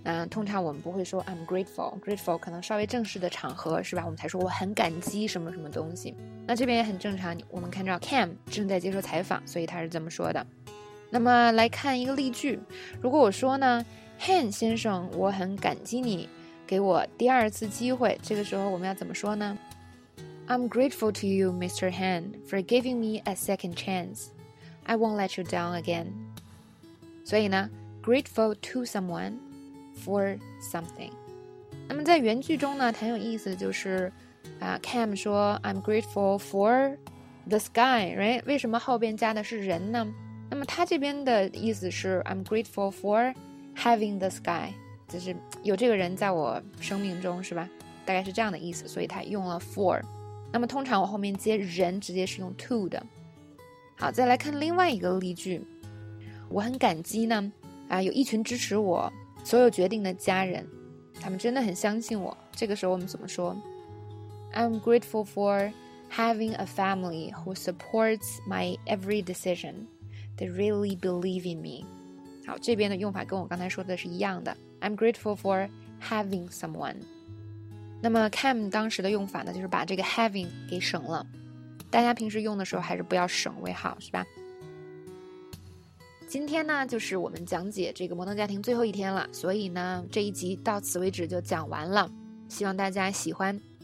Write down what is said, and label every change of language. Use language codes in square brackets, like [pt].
[zh] 通常我们不会说 I'm grateful， grateful 可能稍微正式的场合是吧，我们才说我很感激什么什么东西。那这边也很正常，我们看到 Cam 正在接受采访，所以他是这么说的。那么来看一个例句，如果我说呢 Han 先生，我很感激你给我第二次机会，这个时候我们要怎么说呢？ [en] I'm grateful to you, Mr. Han, for giving me a second chance. I won't let you down again. [zh] 所以呢 grateful to someone for something. 那么在原句中呢，很有意思，就是Cam 说 [en] I'm grateful for this guy, right? [zh] 为什么后边加的是人呢？那么他这边的意思是 [en] I'm grateful for having this guy. [zh] 就是有这个人在我生命中是吧，大概是这样的意思，所以他用了 for。那么通常我后面接人直接是用 to 的。好，再来看另外一个例句，我很感激呢啊，有一群支持我所有决定的家人，他们真的很相信我。这个时候我们怎么说？ [en] I'm grateful for having a family who supports my every decision. They really believe in me. [zh] 好，这边的用法跟我刚才说的是一样的。 [en] I'm grateful for having someone. [zh] 那么 Cam 当时的用法呢，就是把这个 having 给省了，大家平时用的时候还是不要省为好，是吧？今天呢，就是我们讲解这个摩登家庭最后一天了，所以呢，这一集到此为止就讲完了，希望大家喜欢。